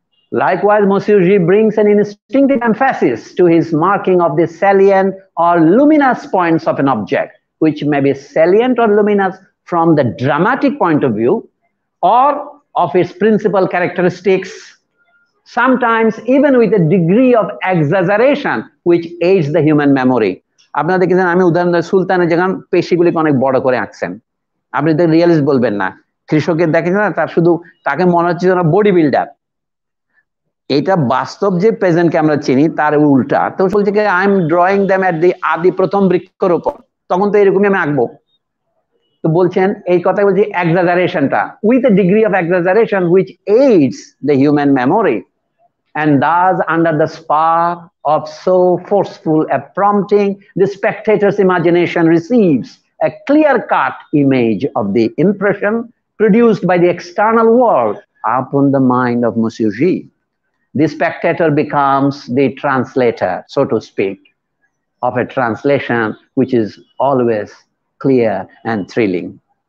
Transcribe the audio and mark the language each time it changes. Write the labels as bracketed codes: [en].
[en] Likewise, Monsieur G brings an instinctive emphasis to his marking of the salient or luminous points of an object, which may be salient or luminous from the dramatic point of view or of its principal characteristics, sometimes even with a degree of exaggeration which aids the human memory. [bn] আপনারা দেখেছেন আমি উদাহরণ দেয় সুলতানের যেখান পেশিগুলিকে অনেক বড় করে আঁকছেন আপনি তো রিয়েলিস্ট বলবেন না কৃষকের দেখেছেন না তার শুধু তাকে মনে হচ্ছে যেন বডি বিল্ডার এইটা বাস্তব যে প্রেজেন্টকে আমরা চিনি তার উল্টা তো বলছে কি [en] I am drawing them at the [bn] আদি প্রথম বৃক্ষর উপর তখন তো এরকমই আমি আঁকবো তো বলছেন এই কথা বলছি এক্সাজারেশনটা [en] With the degree of exaggeration which aids the human memory And thus, under the spark of so forceful a prompting, the spectator's imagination receives a clear-cut image of the impression produced by the external world upon the mind of Monsieur G. The spectator becomes the translator, so to speak, of a translation which is always clear and thrilling.